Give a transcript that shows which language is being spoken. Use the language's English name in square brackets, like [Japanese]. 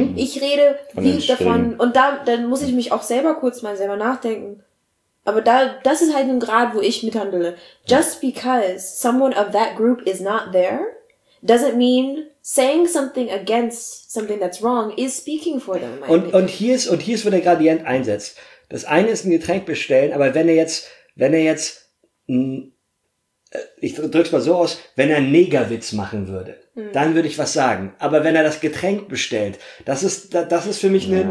[German] Ich rede viel davon und dann muss ich mich auch selber nachdenken. Aber das ist halt ein Grad, wo ich mithandle. [English] Just because someone of that group is not there, doesn't mean saying something against something that's wrong is speaking for them. [German] Und hier ist, wo der Gradient einsetzt. Das eine ist ein Getränk bestellen, aber wenn er jetzt ich drück's mal so aus, wenn er einen Negerwitz machen würde, dann würde ich was sagen. Aber wenn er das Getränk bestellt, das ist für mich eine...